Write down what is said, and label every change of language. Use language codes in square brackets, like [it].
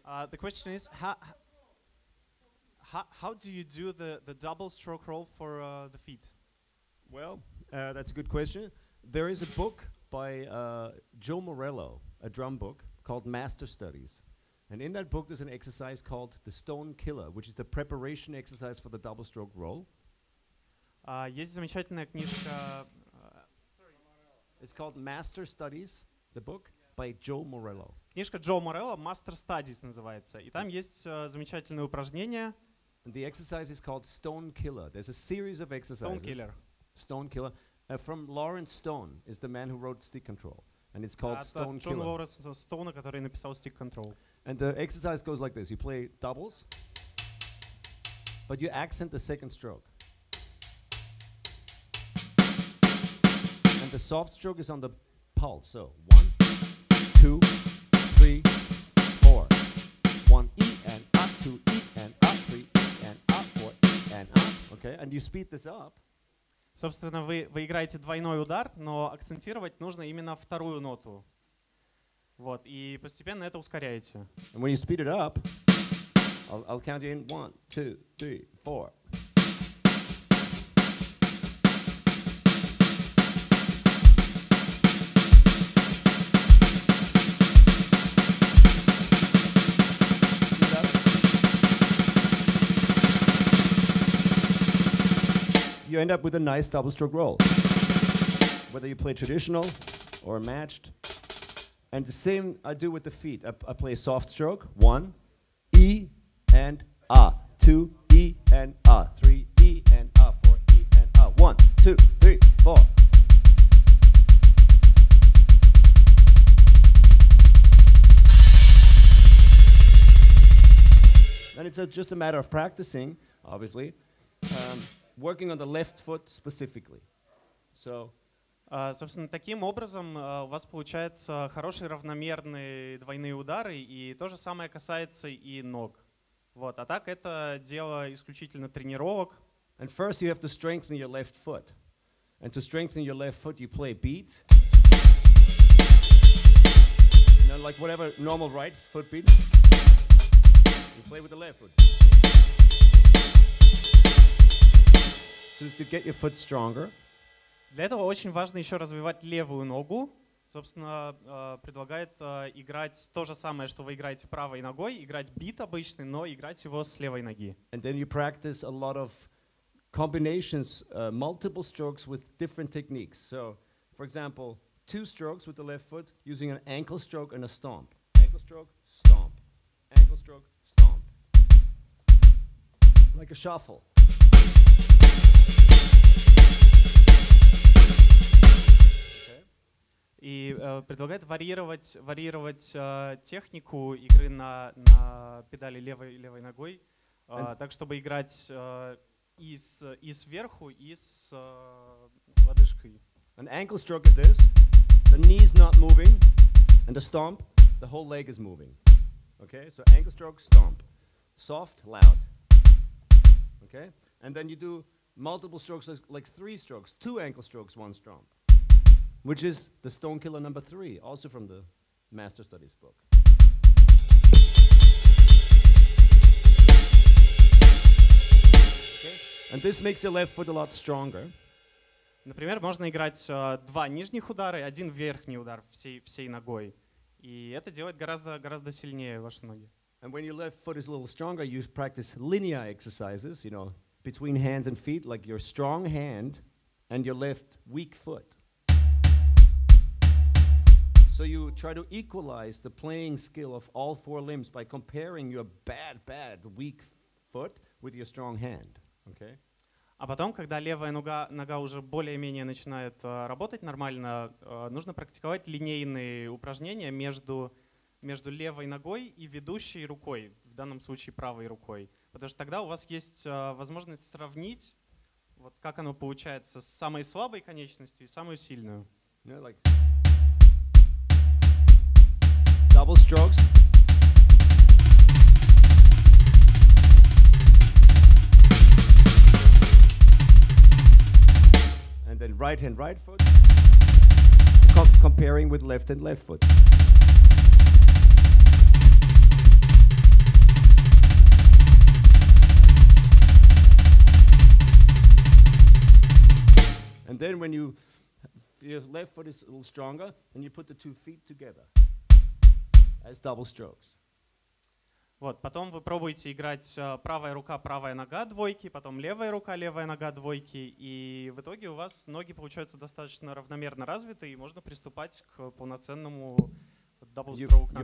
[en] The question is, how do you do the double stroke roll for the feet? Well, that's a good question. There is a book by Joe Morello, a drum book, called Master Studies. And in that book, there's an exercise called the Stone Killer, which is the preparation exercise for the double stroke roll. [ru] Есть замечательная книжка. [en] It's called Master Studies, the book, by Joe Morello. [ru] Книжка Джо Морелло «Master Studies» называется. И там есть замечательное упражнение. [en] And the exercise is called Stone Killer. There's a series of exercises. Stone Killer. Stone Killer. From Lawrence Stone is the man who wrote Stick Control. And it's called Stone Killer. [ru] Это Джон Лоуренс Стоуна, который написал Stick Control. [en] And the exercise goes like this. You play doubles, but you accent the second stroke. And the soft stroke is on the pulse. So one, two, three, four. One E and up, two E and up, three E and up, four E and up. Okay, and you speed this up. [ru] Собственно, вы играете двойной удар, но акцентировать нужно именно вторую ноту. Вот, и постепенно это ускоряете. [en] And when you speed it up, I'll count you in one, two, three, four. You end up with a nice double stroke roll, whether you play traditional or matched. And the same I do with the feet. I play soft stroke, one, E and A, two, E and A, three, E and A, four, E and A, one, two, three, four. And it's just a matter of practicing, obviously. Working on the left foot specifically. So, [ru] собственно, таким образом у вас получается хорошие равномерные двойные удары, и то же самое касается и ног. Вот, а так это дело исключительно тренировок. [en] And first you have to strengthen your left foot. And to strengthen your left foot, you play beat. And then like whatever normal right foot beat, you play with the left foot. To get your foot stronger. [ru] Для этого очень важно еще развивать левую ногу. Собственно, предлагает играть то же самое, что вы играете правой ногой, играть бит обычный, но играть его с левой ноги. [en] And then you practice a lot of combinations, multiple strokes with different techniques. So, for example, two strokes with the left foot using an ankle stroke and a stomp. Ankle stroke, stomp. Ankle stroke, stomp. like a shuffle. [ru] И предлагает варьировать технику игры на педали левой ногой, так чтобы играть и сверху, и с лодыжкой. [en] An ankle stroke is this. The knee's not moving, and the stomp, the whole leg is moving. Okay, so ankle stroke, stomp. Soft, loud. Okay, and then you do multiple strokes, like three strokes, two ankle strokes, one stomp. Which is the stone killer number three, also from the master studies book. Okay. And this makes your left foot a lot stronger. [ru] Например, можно играть два нижних удара и один верхний удар всей ногой. И это делает гораздо сильнее ваши ноги. [en] And when your left foot is a little stronger, you practice linear exercises, you know, between hands and feet, like your strong hand and your left weak foot. So you try to equalize the playing skill of all four limbs by comparing your bad, weak foot with your strong hand. Okay. [ru] А потом, когда левая нога уже более-менее начинает работать нормально, нужно практиковать линейные упражнения между левой ногой и ведущей рукой, в данном случае правой рукой. Потому что тогда у вас есть возможность сравнить, вот как оно получается, с самой слабой конечностью и самую сильную. [en] Yeah, like double strokes. And then right hand, right foot. Comparing with left hand, left foot. And then when you, your left foot is a little stronger, and you put the two feet together. As double strokes. [ru] Вот, потом вы пробуете играть правая рука, правая нога, двойки, потом левая рука, левая нога, двойки, и в итоге у вас ноги получаются достаточно равномерно развиты, и можно приступать к полноценному double stroke ногами.